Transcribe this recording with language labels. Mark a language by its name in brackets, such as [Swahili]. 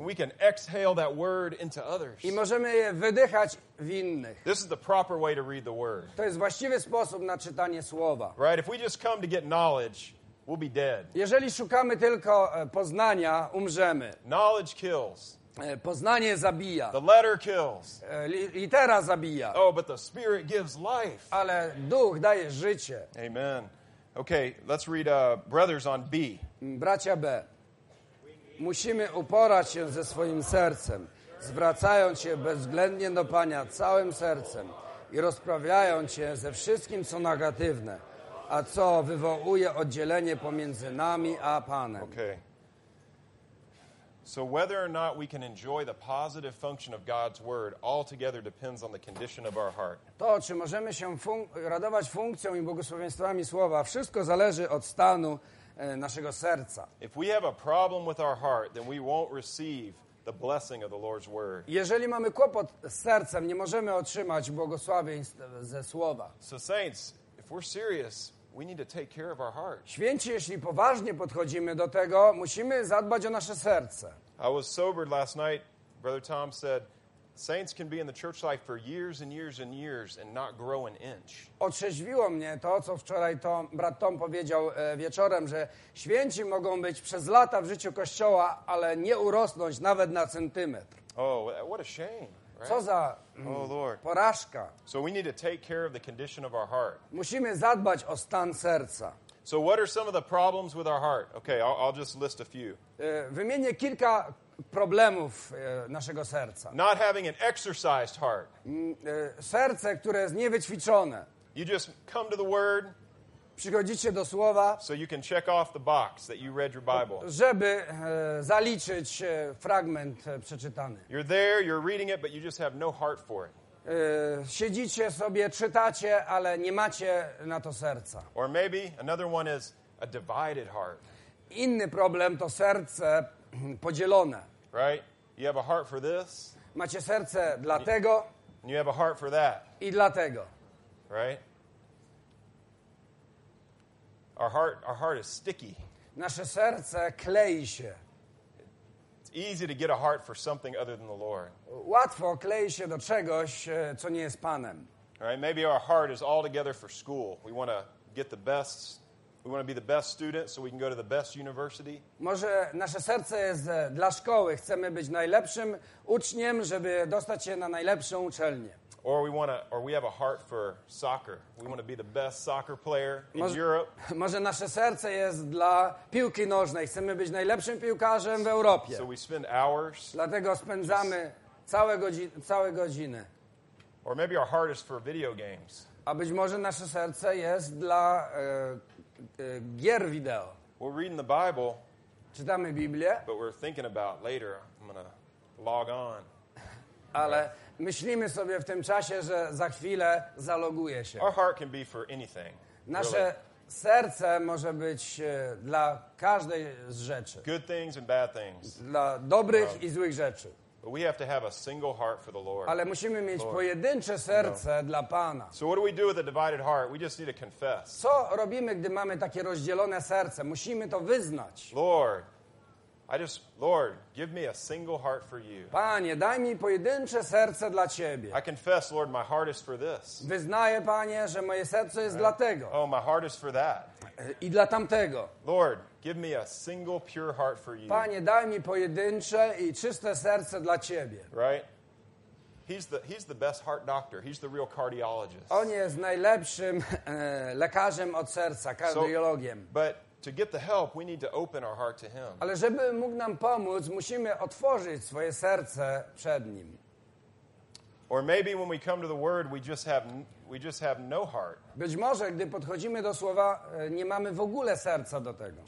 [English] And we can exhale that word into others. [Polish] I możemy je wydychać w innych. [English] This is the proper way to read the word. [Polish] To jest właściwy sposób na czytanie słowa. [English] Right, if we just come to get knowledge, we'll be dead. [Polish] Jeżeli szukamy tylko poznania, umrzemy. [English] Knowledge kills. [Polish] Poznanie zabija. [English] The letter kills. [Polish] Litera zabija. [English] Oh, but the Spirit gives life. [Polish] Ale duch daje życie. [English] Amen. Okay, let's read brothers on B. [Polish] Bracia B. Musimy uporać się ze swoim sercem, zwracając się bezwzględnie do Pana całym sercem i rozprawiając się ze wszystkim, co negatywne, a co wywołuje oddzielenie pomiędzy nami a Panem. [English] Okay. So whether or not we can enjoy the positive function of God's word altogether depends on the condition of our heart. [Polish] To, czy możemy się radować funkcją i błogosławieństwami słowa, wszystko zależy od stanu naszego serca. [English] If we have a problem with our heart, then we won't receive the blessing of the Lord's word. [Polish] Jeżeli mamy kłopot z sercem, nie możemy otrzymać błogosławieństw ze słowa. [English] So saints, if we're serious, we need to take care of our heart. [Polish] Święci, jeśli poważnie podchodzimy do tego, musimy zadbać o nasze serce. [English] I was sobered last night. Brother Tom said, saints can be in the church life for years and years and years and not grow an inch. [Polish] Otrzeźwiło mnie to, co wczoraj brat Tom powiedział wieczorem, że święci mogą być przez lata w życiu Kościoła, ale nie urosnąć nawet na centymetr. [English] Oh, what a shame. [Polish] Co za porażka. [English] So we need to take care of the condition of our heart. [Polish] Musimy zadbać o stan serca. [English] So what are some of the problems with our heart? Okay, I'll just list a few. [Polish] Wymienię kilka problemów naszego serca. [English] Not having an exercised heart. [Polish] Serce, które jest niewyćwiczone. [English] You just come to the word. [Polish] Przychodzicie do słowa. [English] So you can check off the box that you read your Bible. [Polish] Żeby zaliczyć fragment przeczytany. [English] You're there, you're reading it, but you just have no heart for it. [Polish] Siedzicie sobie, czytacie, ale nie macie na to serca. [English] Or maybe another one is a divided heart. [Polish] Inny problem to serce podzielone. [English] Right? You have a heart for this. [Polish] Macie serce dla tego. [English] And you have a heart for that. [Polish] I dlatego. [English] Right? Our heart is sticky. [Polish] Nasze serce klei się. [English] It's easy to get a heart for something other than the Lord. [Polish] Łatwo klei się do czegoś, co nie jest Panem. [English] Right? Maybe our heart is altogether for school. We want to get the best. We want to be the best student so we can go to the best university. [Polish] Może nasze serce jest dla szkoły. Chcemy być najlepszym uczniem, żeby dostać się na najlepszą uczelnię. [English] Or we have a heart for soccer. We want to be the best soccer player in Europe. [Polish] Może nasze serce jest dla piłki nożnej. Chcemy być najlepszym piłkarzem w Europie. [English] So we spend hours. [Polish] Dlatego spędzamy całe godziny. [English] Or maybe our heart is for video games. [Polish] A być może nasze serce jest dla gier wideo. [English] We're reading the Bible. [Polish] Czytamy Biblię. [English] But we're thinking about later. I'm gonna log on. [Polish] Ale myślimy sobie w tym czasie, że za chwilę zaloguje się. [English] Our heart can be for anything, [Polish] nasze [English] really. [Polish] Serce może być dla każdej z rzeczy. [English] Good things and bad things. [Polish] Dla dobrych i złych rzeczy. [English] But we have to have a single heart for the Lord. [Polish] Ale musimy mieć Lord. Pojedyncze serce no. dla Pana. [English] So what do we do with a divided heart? We just need to confess. [Polish] Co robimy, gdy mamy takie rozdzielone serce? Musimy to wyznać. [English] Lord. Lord, give me a single heart for you. [Polish] Panie, daj mi pojedyncze serce dla Ciebie. [English] I confess, Lord, my heart is for this. [Polish] Wyznaję, Panie, że moje serce jest dla tego. [English] Oh, my heart is for that. [Polish] I dla tamtego. [English] Lord, give me a single pure heart for you. [Polish] Panie, daj mi pojedyncze i czyste serce dla Ciebie. [English] Right? He's the best heart doctor. He's the real cardiologist. [Polish] On jest najlepszym lekarzem od serca, kardiologiem. [English] So, but to get the help, we need to open our heart to him. [Polish] Ale żeby mógł nam pomóc, musimy otworzyć swoje serce przed nim. [English] Or maybe when we come to the word, we just have no heart. [Polish] Być może gdy podchodzimy do słowa, nie mamy w ogóle serca do tego.